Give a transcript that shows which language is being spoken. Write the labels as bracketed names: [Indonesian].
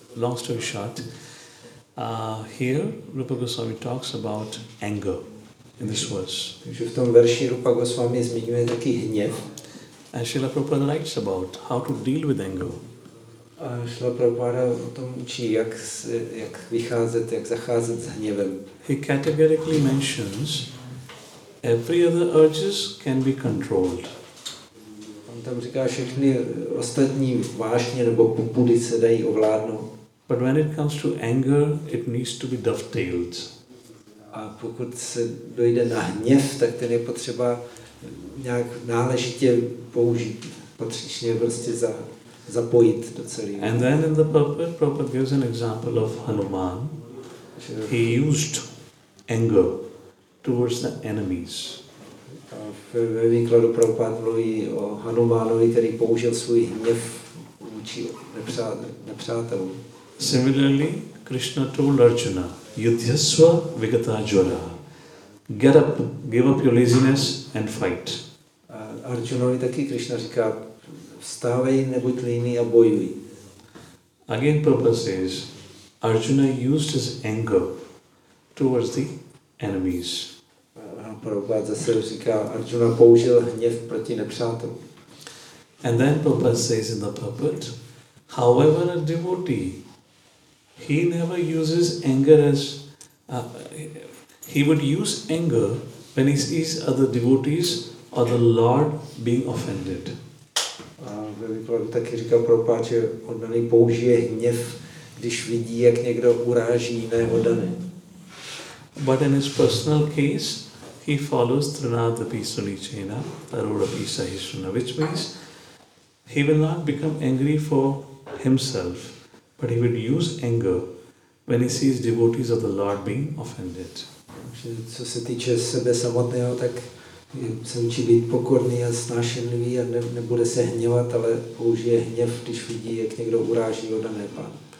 [English] Long story short, here Rupa Goswami talks about anger in this verse. [Czech] Takže v tom verši Rupa Goswami zmiňuje taky hněv. [English] And Srila Prabhupada writes about how to deal with anger. [Czech] Srila Prabhupada o tom učí, jak vycházet, jak zacházet s hněvem. [English] He categorically mentions every other urges can be controlled. [Czech] On tam říká, všechny ostatní vášně nebo popudy se dají ovládnout. [English] But when it comes to anger, it needs to be dovetailed. [Czech] A pokud se dojde na hněv, tak ten je potřeba nějak náležitě použít, patřičně prostě zapojit do celého. [English] And then in the purport, Prabhupada gives an example of Hanuman. He used anger towards the enemies. [Czech] Ve výkladu Prabhupada mluví o Hanumanovi, který použil svůj hněv vůči nepřátelům. [English] Similarly, Krishna told Arjuna, [Sanskrit] Yudhyasva Vigata Jvara. [English] Get up, give up your laziness and fight. [Czech] Arjunovi taky Krishna říká, vstávej, nebuď líný a bojuj. [English] Again Prabhupada says, Arjuna used his anger towards the enemies. [Czech] Prabhupada zase říká, Arjuna použil hněv proti nepřátelům. [English] And then Prabhupada says in the purport, however a devotee, he never uses anger as... He would use anger when he sees other devotees or the Lord being offended. [Czech] Taky říkal Prabhupád, že oddaný použije hněv, když vidí, jak někdo uráží jiné oddané. [English] But in his personal case, he follows [Sanskrit] Trinadapi Sunichena, Arudapi Sahishuna, [English] which means he will not become angry for himself, but he will use anger when he sees devotees of the Lord being offended. [Czech] Co se týče sebe samotného, tak se učí být pokorný a snášenlivý a nebude se hněvat, ale použije hněv, když vidí, jak někdo uráží oddané pána.